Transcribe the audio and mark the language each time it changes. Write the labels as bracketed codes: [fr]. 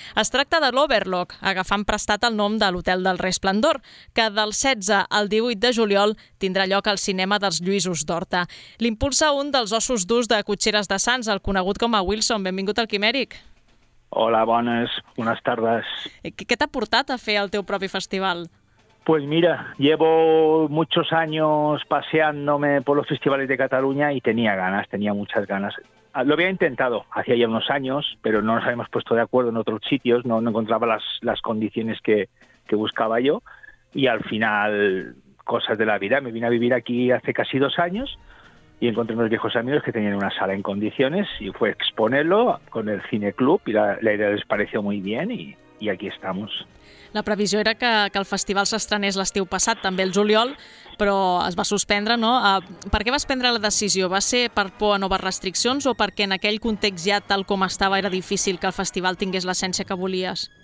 [ca] Es tracta de l'Overlock, agafant prestat el nom de l'Hotel del Resplendor, que del 16 al 18 de juliol tindrà lloc al cinema dels Lluïsos d'Horta. L'impulsa un dels ossos durs de Cotxeres de Sants, el conegut com a Wilson. Benvingut al Quimèric. Hola, bones tardes. Què t'ha portat a fer el teu propi festival? [es] Pues mira, llevo muchos años paseándome por los festivales de Cataluña y tenía muchas ganas. Lo había intentado hacía ya unos años, pero no nos habíamos puesto de acuerdo en otros sitios, no encontraba las condiciones que buscaba yo, y al final, cosas de la vida, me vine a vivir aquí hace casi 2 años y encontré unos viejos amigos que tenían una sala en condiciones y fue exponerlo con el Cine Club y la idea les pareció muy bien y aquí estamos. [ca] La previsió era que el festival s'estrenés l'estiu passat, també el juliol, però es va suspendre, no? Per què vas prendre la decisió? Va ser per por a noves restriccions o perquè en aquell context ja tal com estava era difícil que el festival tingués l'essència que volies?